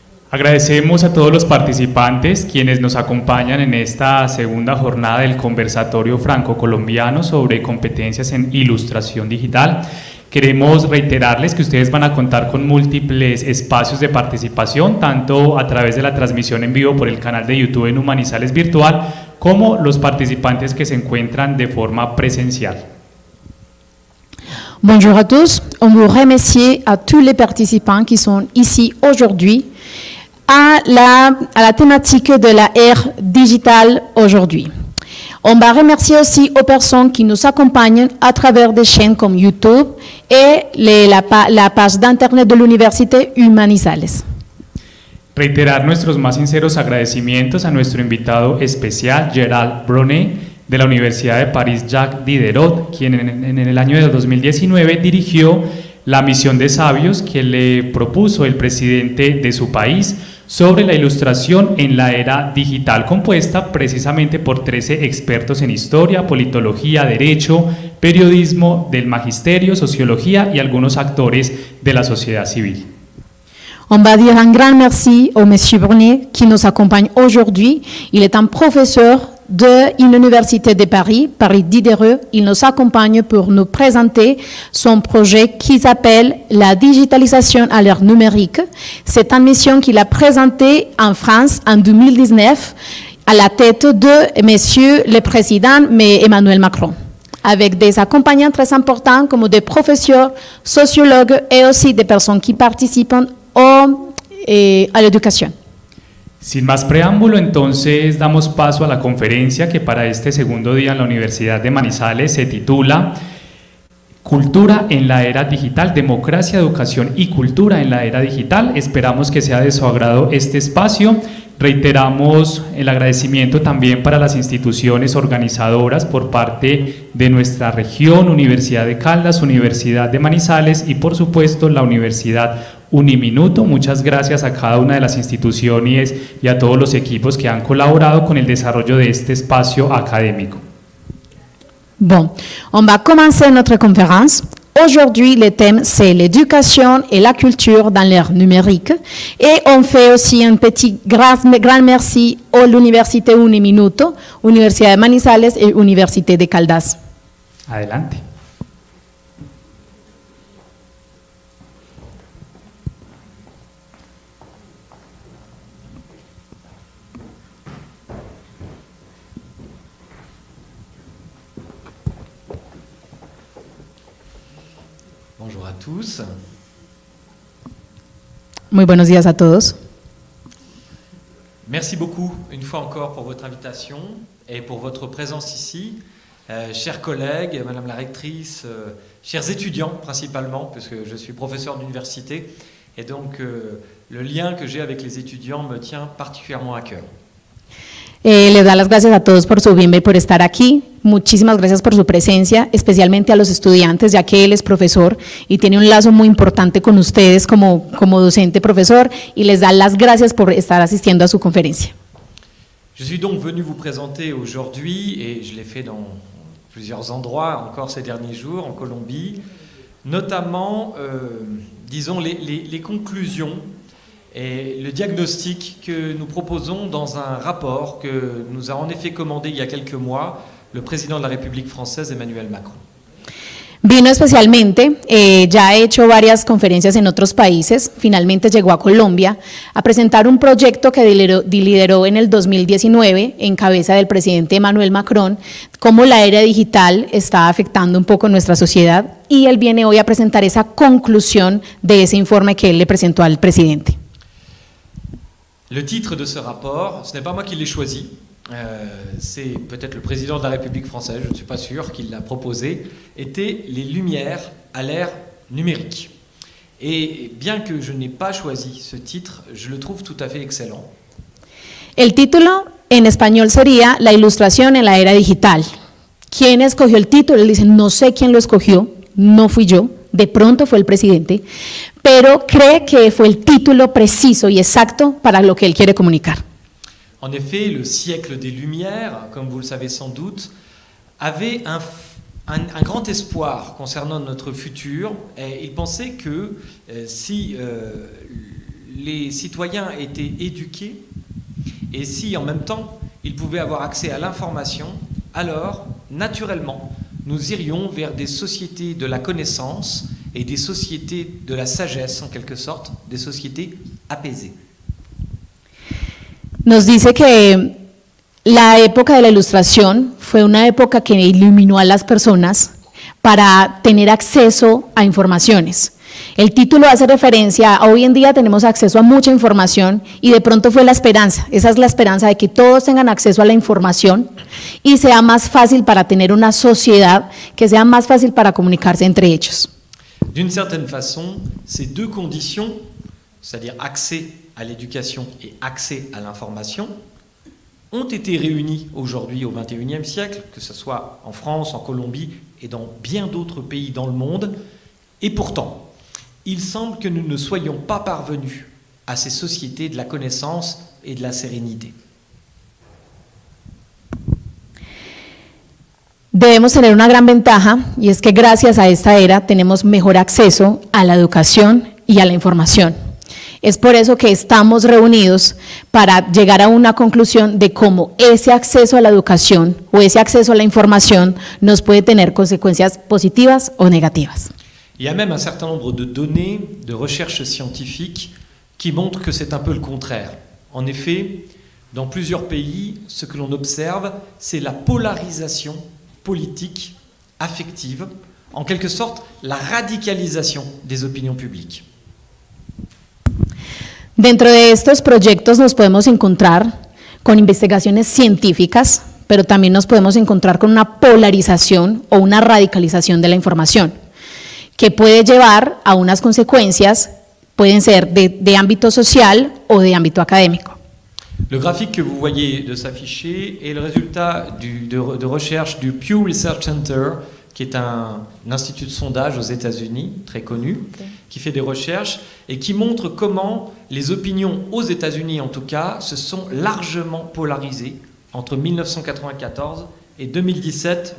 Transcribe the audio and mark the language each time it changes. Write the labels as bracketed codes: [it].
[es] Agradecemos a todos los participantes quienes nos acompañan en esta segunda jornada del conversatorio franco-colombiano sobre competencias en ilustración digital. Queremos reiterarles que ustedes van a contar con múltiples espacios de participación, tanto a través de la transmisión en vivo por el canal de YouTube en Humanizales Virtual, como los participantes que se encuentran de forma presencial. [fr] Bonjour à tous. On veut remercier à tous les participants qui sont ici aujourd'hui. À la thématique de la ère digitale aujourd'hui. On va remercier aussi aux personnes qui nous accompagnent à travers des chaînes comme YouTube et la page d'Internet de l'Université Humanizales. Reiterar nuestros más sinceros agradecimientos a nuestro invitado especial, Gérald Bronné, de la Universidad de París Jacques Diderot, quien en el año de 2019 dirigió la misión de sabios que le propuso el presidente de su país sobre la ilustración en la era digital, compuesta precisamente por 13 expertos en historia, politología, derecho, periodismo, del magisterio, sociología y algunos actores de la sociedad civil. On va dire un grand merci au monsieur Bronné qui nous accompagne aujourd'hui. Il est un professeur de l'Université de Paris, Paris Diderot. Il nous accompagne pour nous présenter son projet qui s'appelle la digitalisation à l'ère numérique. C'est une mission qu'il a présentée en France en 2019 à la tête de monsieur le président Emmanuel Macron, avec des accompagnants très importants comme des professeurs, sociologues et aussi des personnes qui participent [es] a la educación. Sin más preámbulo, entonces damos paso a la conferencia que para este segundo día en la Universidad de Manizales se titula Cultura en la era digital, democracia, educación y cultura en la era digital. Esperamos que sea de su agrado este espacio. Reiteramos el agradecimiento también para las instituciones organizadoras por parte de nuestra región, Universidad de Caldas, Universidad de Manizales y por supuesto la Universidad Uniminuto. Muchas gracias a cada una de las instituciones y a todos los equipos que han colaborado con el desarrollo de este espacio académico. [fr] Bon, on va commencer notre conférence. Aujourd'hui, le thème, c'est l'éducation et la culture dans l'ère numérique. Et on fait aussi un petit grand merci à l'Université Uniminuto, Université de Manizales et Université de Caldas. [es] Adelante. [fr] Bonjour à tous. [es] Muy buenos días a todos. [fr] Merci beaucoup une fois encore pour votre invitation et pour votre présence ici. Chers collègues, madame la rectrice, chers étudiants principalement, puisque je suis professeur d'université, et donc le lien que j'ai avec les étudiants me tient particulièrement à cœur. [es] Les da las gracias a todos por su bienvenida y por estar aquí. Muchísimas gracias por su presencia, especialmente a los estudiantes, ya que él es profesor y tiene un lazo muy importante con ustedes como docente profesor, y les da las gracias por estar asistiendo a su conferencia. [fr] Je suis donc venu vous présenter aujourd'hui, et je l'ai fait dans plusieurs endroits encore ces derniers jours en Colombie, notamment, disons, les conclusions et le diagnostic que nous proposons dans un rapport que nous a en effet commandé il y a quelques mois le président de la République française, Emmanuel Macron. [es] Vino especialmente, ya ha hecho varias conferencias en otros países, finalmente llegó a Colombia a presentar un proyecto que lideró en el 2019 en cabeza del presidente Emmanuel Macron, cómo la era digital está afectando un poco nuestra sociedad, y él viene hoy a presentar esa conclusión de ese informe que él le presentó al presidente. [fr] Le titre de ce rapport, ce n'est pas moi qui l'ai choisi, c'est peut-être le président de la République française, je ne suis pas sûr qu'il l'a proposé, était « Les lumières à l'ère numérique ». Et bien que je n'ai pas choisi ce titre, je le trouve tout à fait excellent. [es] El título en español sería « La ilustración en la era digital ». ¿Quién escogió el título? Él dice « No sé quién lo escogió, no fui yo, de pronto fue el presidente ». Pero cree que fue el título preciso y exacto para lo que él quiere comunicar. [fr] En effet, le siècle des Lumières, comme vous le savez sans doute, avait un grand espoir concernant notre futur. Et il pensait que les citoyens étaient éduqués et si en même temps ils pouvaient avoir accès à l'information, alors naturellement nous irions vers des sociétés de la connaissance et des sociétés de la sagesse, en quelque sorte, des sociétés apaisées. [es] Nos dice que la época de la ilustración fue una época que iluminó a las personas para tener acceso a informaciones. El título hace referencia a hoy en día tenemos acceso a mucha información y de pronto fue la esperanza. Esa es la esperanza de que todos tengan acceso a la información y sea más fácil para tener una sociedad, que sea más fácil para comunicarse entre ellos. [fr] D'une certaine façon, ces deux conditions, c'est-à-dire accès à l'éducation et accès à l'information, ont été réunies aujourd'hui au XXIe siècle, que ce soit en France, en Colombie et dans bien d'autres pays dans le monde. Et pourtant, il semble que nous ne soyons pas parvenus à ces sociétés de la connaissance et de la sérénité. [es] Debemos tener una gran ventaja, y es que gracias a esta era tenemos mejor acceso a la educación y a la información. Es por eso que estamos reunidos para llegar a una conclusión de cómo ese acceso a la educación o ese acceso a la información nos puede tener consecuencias positivas o negativas. [fr] Il y a même un certain nombre de données, de recherches scientifiques, qui montrent que c'est un peu le contraire. En effet, dans plusieurs pays, ce que l'on observe, c'est la polarisation politique, affective, en quelque sorte la radicalisation des opinions publiques. [es] Dentro de estos proyectos nos podemos encontrar con investigaciones científicas, pero también nos podemos encontrar con una polarización o una radicalización de la información, que puede llevar a unas consecuencias, pueden ser de ámbito social o de ámbito académico. [fr] Le graphique que vous voyez de s'afficher est le résultat de recherche du Pew Research Center, qui est un institut de sondage aux États-Unis, très connu, qui fait des recherches et qui montre comment les opinions aux États-Unis, en tout cas, se sont largement polarisées entre 1994 et 2017.